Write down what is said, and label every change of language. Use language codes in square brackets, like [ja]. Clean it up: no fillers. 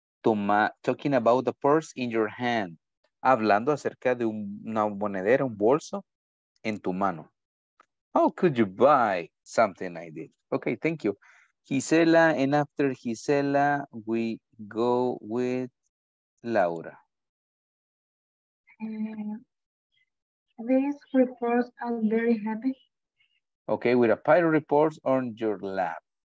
[en] Toma, talking about the purse in your hand. [es] Hablando acerca de una monedera, un bolso en tu mano. [en] How could you buy something like this? Okay, thank you. Gisela, and after Gisela, we go with Laura. These reports are very heavy. Okay, with a pile of reports on your lap.